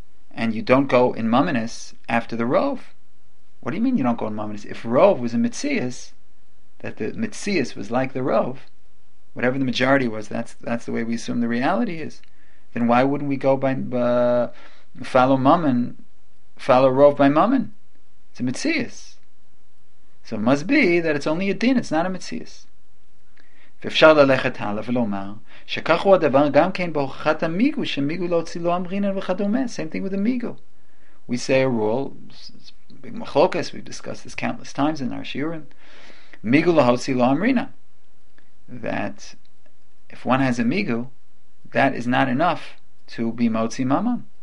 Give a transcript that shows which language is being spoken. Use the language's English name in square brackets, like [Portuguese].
[English] And you don't go in mamonis after the rov. What do you mean you don't go in mamonis? If rov was a mitzias, that the mitzias was like the rov, whatever the majority was, that's the way we assume the reality is. Then why wouldn't we go by follow mammon, follow rov by mammon? It's a metzius. So it must be that it's only a din, it's not a metzius. [Hebrew] ואפשר ללכת הלאה ולומר שכך הוא הדבר גם כן בהוכחת המיגו שמיגו לא הוציא לו אמרינן וכדומה. [English] Same thing with המיגו. We say a rule, it's a big machlokas, we've discussed this countless times in our shiurim, [Hebrew] מיגו לא הוציא לו אמרינן, [English] that if one has a מיגו, that is not enough to be [Hebrew] מוצי ממן.